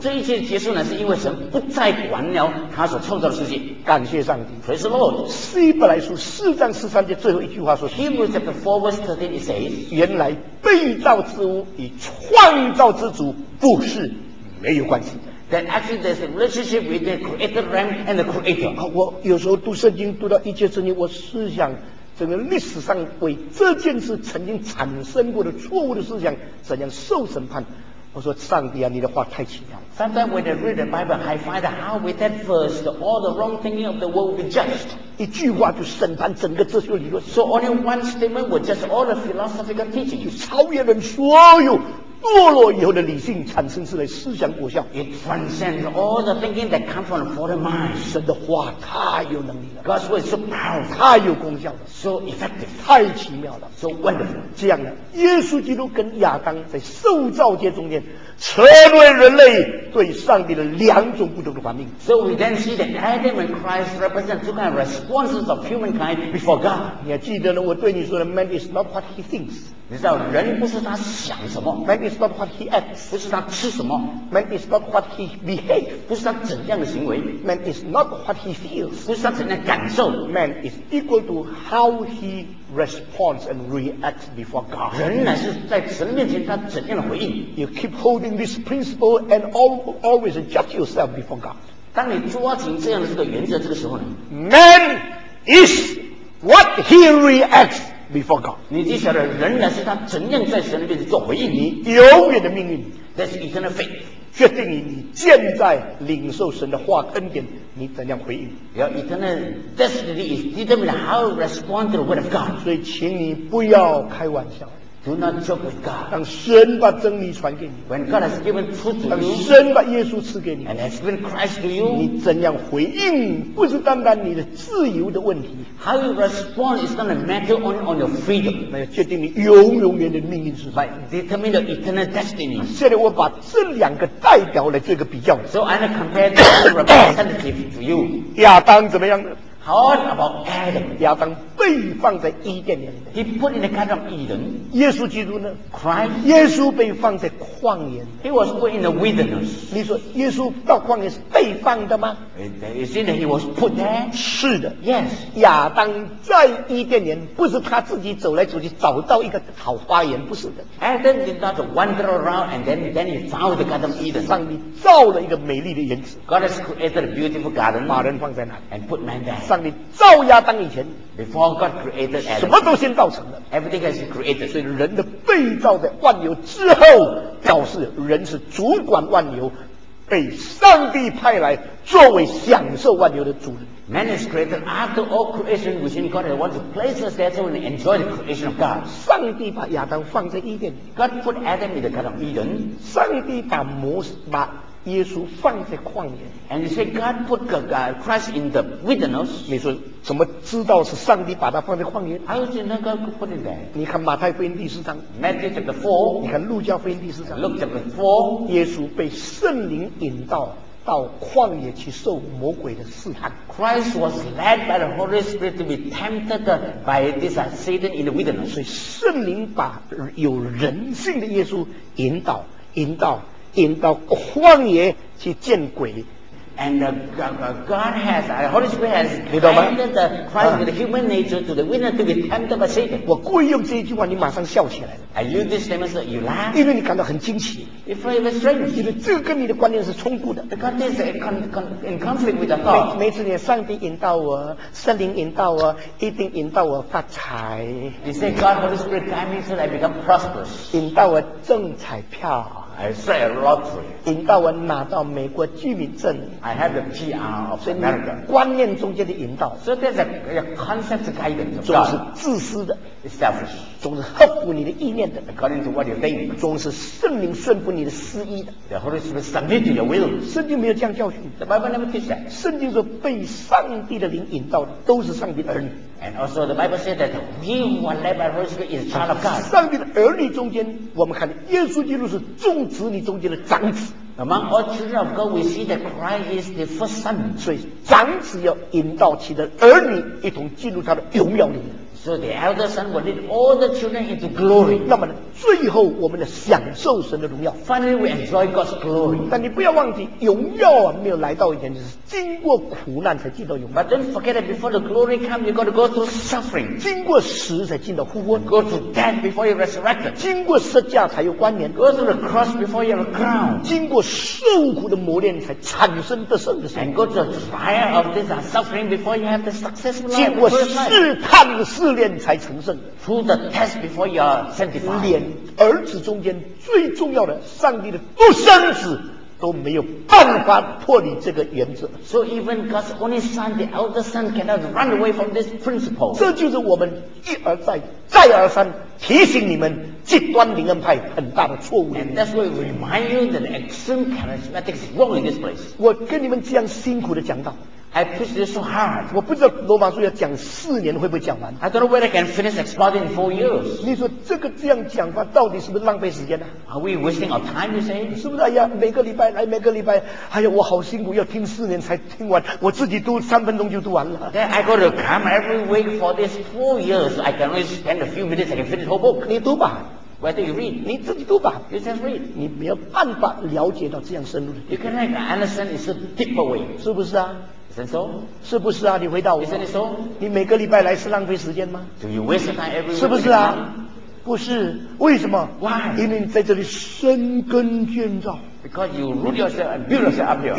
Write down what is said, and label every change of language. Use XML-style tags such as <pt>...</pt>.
<zh>这一切结束呢，是因为神不再管了他所创造的世界。感谢上帝。</zh> <en>Praise the Lord.</en> <zh>希伯来书四章十三节最后一句话说，</zh> <en>Hebrews chapter 4 verse 13 it says,</en> <zh>原来被造之物与创造之主不是没有关系。</zh> <en>That actually there's a relationship with the created realm and the creator.</en> <zh>我有时候读圣经，读到一节圣经，我思想整个历史上为这件事曾经产生过的错误的思想怎样受审判。我说上帝啊，你的话太奇妙了。</zh> <en>Sometimes when I read the Bible, I find out how with that verse, all the wrong thinking of the world will be judged.</en> <zh>一句话就审判整个哲学理论。</zh> <en>So only one statement will judge all the philosophical teaching.</en> <zh>就超越人所有堕落以后的理性产生出来思想果效。</zh> <en>It transcends all the thinking that comes from the fallen mind.</en> <zh>神的话太有能力了。</zh> <en>God's word is so powerful.</en> <zh>太有功效了。</zh> <en>So effective.</en> <zh>太奇妙了。</zh> <en>So wonderful.</en> <zh>这样呢，耶稣基督跟亚当在受造界中间成为人类对上帝的两种不同的反应。</zh> <en>So we then see that Adam and Christ represent two kind of responses of humankind before God.</en> <zh>你还记得呢？我对你说的 ，</zh> <en>Man is not what he thinks.</en> <zh>你知道，人不是他想什么</zh> <en>，Man is not what he acts.</en> <zh>不是他吃什么</zh> <en>，Man is not what he behaves.</en> <zh>不是他怎样的行为</zh> <en>，Man is not what he feels.</en> <zh>不是他怎样感受</zh> <en>，Man is equal to how he responds and reacts before God.</en> <zh>人乃是在神面前他怎样的回应。</zh> <en>You keep holding this principle and always judge yourself before God.</en> <zh>当你抓紧这样的这个原则这个时候呢</zh> <en>，Man is what he reacts before God.</en> <zh>你就晓得人呢是他怎样在神的面前做回应。你永远的命运</zh> <en>That's eternal fate.</en> <zh>决定于你现在领受神的话恩典，你怎样回应。</zh> <en>Your eternal destiny is determined how to respond to the word of God.</en> <zh>所以请你不要开玩笑。</zh> <en>Do not joke with God.</en> <zh>当神把真理传给你</zh> <en>When God has given truth to you,</en> <zh>当神把耶稣赐给你</zh> <en>And has given Christ to you,</en> <zh>你怎样回应不是单单你的自由的问题</zh> <en>How you respond is not a matter only on your freedom.</en> <zh>那要决定你永永远的命运是什</zh> <en>么 But determine your eternal destiny.</en> <zh>现在我把这两个代表来做一个比较</zh> <en>So I'm going to compare the representative to you.</en> <zh>亚当怎么样呢</zh> <en>How about Adam?</en> <zh>亚当被放在伊甸园里。</zh> <en>He put in the garden of Eden.</en> <zh>耶稣基督呢</zh> <en>？Christ.</en> <zh>耶稣被放在旷野。</zh> <en>He was put in the wilderness.</en> <zh>你说耶稣到旷野是被放的吗</zh> <en>？Is it that he was put there?</en> <zh>是的。</zh> <en>Yes.</en> <zh>亚当在伊甸园不是他自己走来走去找到一个好花园，不是的。</zh> <en>Adam did not wander around and then he found the garden of Eden.</en> <zh>上帝造了一个美丽的园子。</zh> <en>God has created a beautiful garden.</en> <zh>把人放在哪</zh> <en>？And put man there.</en> <zh>上帝造亚当以前</zh> <en>Before God created Adam,</en> <zh>什么都先造成了</zh> <en>Everything has been created</en> <zh>所以人的被造在万有之后表示人是主管万有被上帝派来作为享受万有的主人</zh> <en>Man is created after all creation within God and wants to place us there so we can enjoy the creation of God</en> <zh>上帝把亚当放在伊甸</zh> <en>God put Adam in the garden of Eden</en> <zh>上帝把摩西把耶稣放在旷野</zh> <en>And you say God put Christ in the wilderness</en> <zh>你说怎么知道是上帝把他放在旷野</zh> <en>How did God put it there</en> <zh>你看马太福音第四章</zh> <en>Matthew chapter 4</en> <zh>你看路加福音第四章</zh> <en>Luke chapter 4</en> <zh>耶稣被圣灵引到旷野去受魔鬼的试探</zh> <en>Christ was led by the Holy Spirit to be tempted by this Satan in the wilderness</en> <zh>所以圣灵把有人性的耶稣引到旷野去见鬼</zh> <en>and God has the Holy Spirit has tempted the Christ with the human nature to the wilderness to be tempted by Satan</en> <zh>我故意用这一句话你马上笑起来了</zh> <en>I use this statement you laugh</en> <zh>因为你感到很惊奇</zh> <en>if it was strange</en> <zh>因为这个跟你的观念是冲突的</zh> <en>because this is in conflict with the thought</en> <zh>每次上帝引导我圣灵引导我一定引导我发财</zh> <en>you say God Holy Spirit guide me so that I become prosperous</en> <zh>引导我中彩票</zh> <en>I say a lottery.</en> <zh>引导我拿到美国居民证。</zh> <en>I have the PR of America.</en> <zh>观念中间的引导。</zh> <en>So there's a concept guidance.</en> <zh>总是自私的。</zh> <en>It's selfish.</en> <zh>总是合乎你的意念的。</zh> <en>According to what you think.</en> <zh>总是圣灵顺服你的私意的。</zh> <en>The Holy Spirit submit to your will.</en> <zh>圣经没有这样教训。</zh> <en>The Bible never teach that.</en> <zh>圣经说被上帝的灵引导都是上帝的儿女。</zh> <en>And also the Bible says that he who are led by the Holy Spirit is a child of God.</en> <zh>上帝的儿女中间我们看耶稣基督是众子女中间的长子。</zh> <en>Among all children of God, we see that Christ is the first son.</en> <zh>所以长子要引导其的儿女一同进入他的荣耀里面。</zh> <en>So the elder son will lead all the children into glory.</en> <zh>那么呢最后我们的享受神的荣耀。</zh> <en>Finally, we enjoy God's glory.</en> <zh>但你不要忘记荣耀没有来到以前就是经过苦难才进到荣耀。</zh> <en>But don't forget that before the glory comes, you've got to go through suffering.</en> <zh>经过死才进到复活。</zh> <en>Go through death before you're resurrected.</en> <zh>经过十架才有冠冕。</zh> <en>Go through the cross before you're crowned.</en> <zh>经过受苦的磨练才产生得胜的神。</zh> <en>And go through the trial of this suffering before you have the successful life.</en> <zh>经过试探的试炼才成圣。</zh> <en>Through the test before you are sanctified.</en> <zh>连儿子中间最重要的上帝的独生子都没有办法脱离这个原则。</zh> <en>So even God's only son, the elder son, cannot run away from this principle.</en> <zh>这就是我们一而再、再而三提醒你们极端灵恩派很大的错误。</zh> <en>And that's why we remind you that extreme charismatics is wrong in this place.</en> <zh>我跟你们这样辛苦的讲道。</zh> <en>I preach this so hard.</en> <zh>我不知道罗马书要讲四年会不会讲完。</zh> <en>I don't know whether I can finish exploding in 4 years.</en> <zh>你说这个这样讲话到底是不是浪费时间呢、啊、</zh> <en>？Are we wasting our time? You say?</en> <zh>是不是？哎呀，每个礼拜来，每个礼拜，哎呀，我好辛苦，要听四年才听完，我自己读三分钟就读完了。</zh> <en>Then I got to come every week for this 4 years. I can only spend a few minutes. I can finish the whole book.</en> <zh>你读吧。</zh> <en>Whether you read,</en> <zh>你自己读吧。</zh> <en>You just read.</en> <zh>你没有办法了解到这样深入的。</zh> <en>You can like understand it's a deeper way.</en> <zh>是不是啊？</zh> <en>Isn't so?</en> <zh>是不是啊？你回答我。</zh> <en>Isn't it so?</en> <zh>你每个礼拜来是浪费时间吗</zh> <en>？Do you waste time every week?</en> <zh>是不是啊？不是，为什么</zh> <en>？Why?</en> <zh>因为你在这里生根建造。</zh> <en>Because you root yourself and build yourself up there.</en>